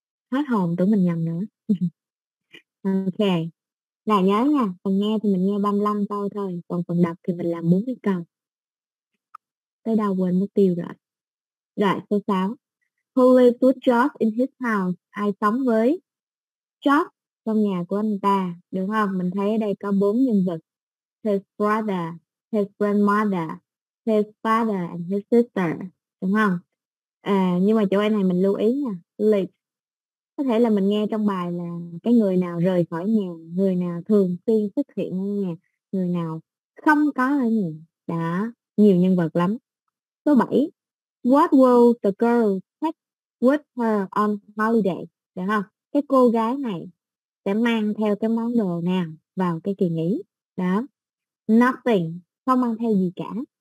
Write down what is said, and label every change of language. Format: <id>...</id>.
<vi>Hết hồn tụi mình nhầm nữa. Ok. Là nhớ nha, phần nghe thì mình nghe 35 câu thôi, còn phần đọc thì mình làm 40 câu. Tới đâu quên mất tiêu rồi. Rồi, số 6.</vi> <en>Who lived with George in his house?</en> <vi>Ai sống với George trong nhà của anh ta? Đúng không? Mình thấy ở đây có 4 nhân vật.</vi> <en>His brother, his grandmother, his father and his sister.</en> <vi>Đúng không? À, nhưng mà chỗ này mình lưu ý nha. Lived. Có thể là mình nghe trong bài là cái người nào rời khỏi nhà, người nào thường xuyên xuất hiện ở nhà, người nào không có ở nhà. Đó, nhiều nhân vật lắm. Số 7.</vi> <en>What will the girl take with her on holiday?</en> <vi>Được không? Cái cô gái này sẽ mang theo cái món đồ nào vào cái kỳ nghỉ? Đó. Nothing. Không mang theo gì cả.</vi>